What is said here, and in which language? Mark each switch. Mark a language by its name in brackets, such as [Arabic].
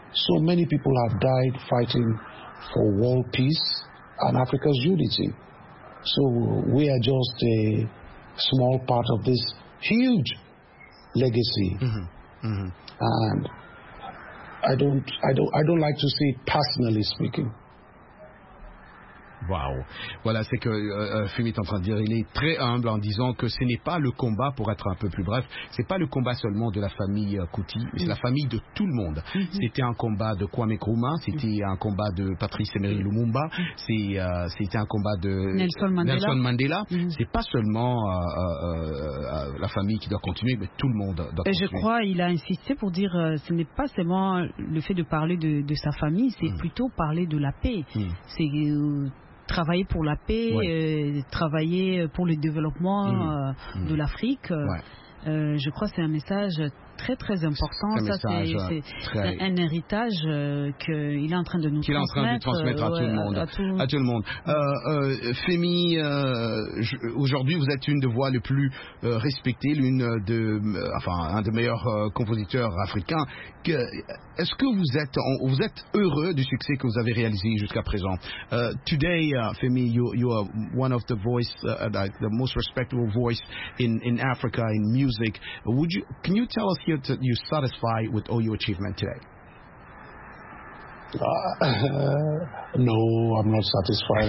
[English] So many people have died fighting for world peace and Africa's unity. So we are just a small part of this huge legacy. Mm-hmm. Mm-hmm. And I don't like to see it personally speaking. Wow. [French] Voilà, c'est que Fumi est en train de dire, il est très humble en disant que ce n'est pas le combat, pour être un peu plus bref, c'est pas le combat seulement de la famille Kuti, mais c'est la famille de tout le monde. Mm-hmm. C'était un combat de Kwame Nkrumah, c'était un combat de Patrice Emery Lumumba, c'était un combat de Nelson Mandela. Mm-hmm. C'est pas seulement la famille qui doit continuer, mais tout le monde doit continuer. Et je crois qu'il a insisté pour dire ce n'est pas seulement le fait de parler de sa famille, c'est plutôt parler de la paix. Mm-hmm. C'est travailler pour la paix, ouais. Travailler pour le développement de l'Afrique. Ouais. Je crois que c'est un message très très important. C'est un héritage qu'il est en train de nous transmettre. À tout le monde. Femi, aujourd'hui vous êtes une des voix les plus respectées, un des meilleurs compositeurs africains. Est-ce que vous êtes heureux du succès que vous avez réalisé jusqu'à présent? [English] Today, Femi, you are one of the voices, the most respectable voice in Africa in music. Can you tell us here that you're satisfied with all your achievement today? No, I'm not satisfied.